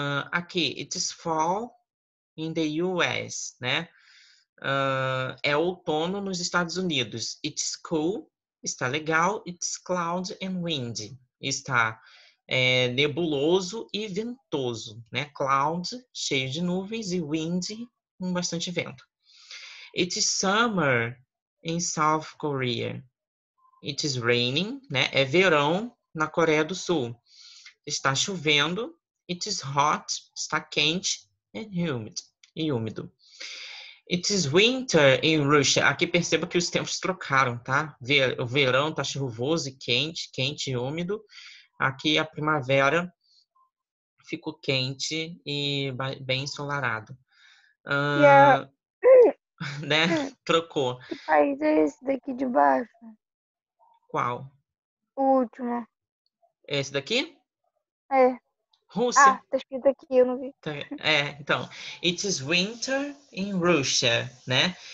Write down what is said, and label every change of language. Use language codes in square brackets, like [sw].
[en] Aqui, it is fall in the US, né? [pt] É outono nos Estados Unidos. [en] It's cool, [pt] está legal. [en] It's cloud and windy, [pt] está nebuloso e ventoso, né? Cloud, cheio de nuvens, e windy, com bastante vento. [en] It's summer in South Korea. It's raining, [pt] né? É verão na Coreia do Sul. Está chovendo. [en] It's hot, [pt] está quente, [en] and humid, [pt] e úmido. [en] It is winter in Russia. [pt] Aqui perceba que os tempos trocaram, tá? O verão tá chuvoso e quente, quente e úmido. Aqui a primavera ficou quente e bem ensolarado. Né? Trocou. Que país é esse daqui de baixo? Qual? O último. Esse daqui? É. Rússia. Ah, tá escrito aqui, eu não vi. [en] É, então, it is winter in Russia, né?